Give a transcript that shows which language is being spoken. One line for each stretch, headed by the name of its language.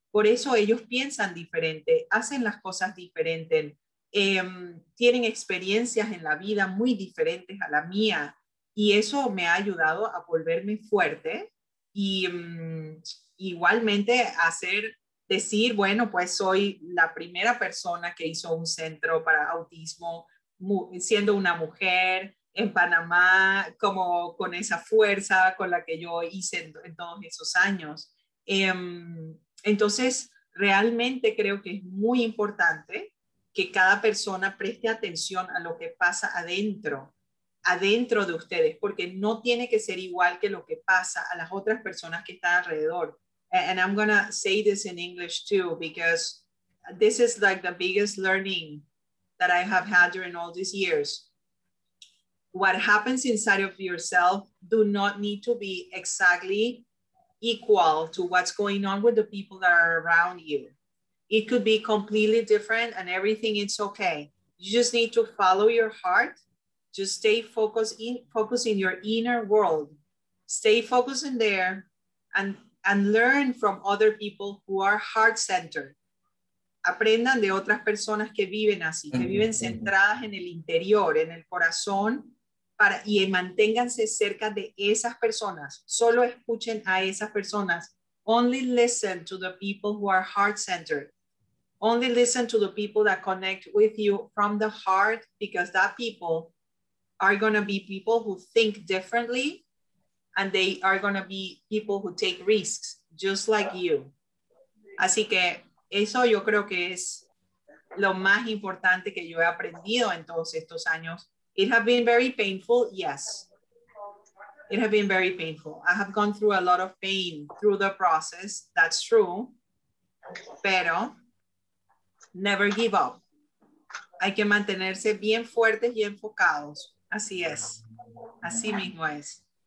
Spanish: Por eso ellos piensan diferente, hacen las cosas diferentes, tienen experiencias en la vida muy diferentes a la mía y eso me ha ayudado a volverme fuerte y igualmente decir, bueno, pues soy la primera persona que hizo un centro para autismo siendo una mujer en Panamá, como con esa fuerza con la que yo hice en todos esos años. Entonces, realmente creo que es muy importante que cada persona preste atención a lo que pasa adentro de ustedes, porque no tiene que ser igual que lo que pasa a las otras personas que están alrededor.
English: And I'm gonna say this in English too, because this is like the biggest learning that I have had during all these years. What happens inside of yourself do not need to be exactly equal to what's going on with the people that are around you. It could be completely different and everything is okay. You just need to follow your heart. Just stay focused in your inner world. Stay focused in there and learn from other people who are heart-centered.
Spanish: Aprendan de otras personas que viven así, que viven centradas en el interior, en el corazón, y manténganse cerca de esas personas. Solo escuchen a esas personas.
English: Only listen to the people who are heart-centered. Only listen to the people that connect with you from the heart, because that people are going to be people who think differently and they are going to be people who take risks, just like you.
Spanish: Así que eso yo creo que es lo más importante que yo he aprendido en todos estos años.
English: It has been very painful, yes. It has been very painful. I have gone through a lot of pain through the process, that's true.
Spanish: Pero
English: never give up.
Spanish: Hay que mantenerse bien fuertes y enfocados. Así es. Así mismo es.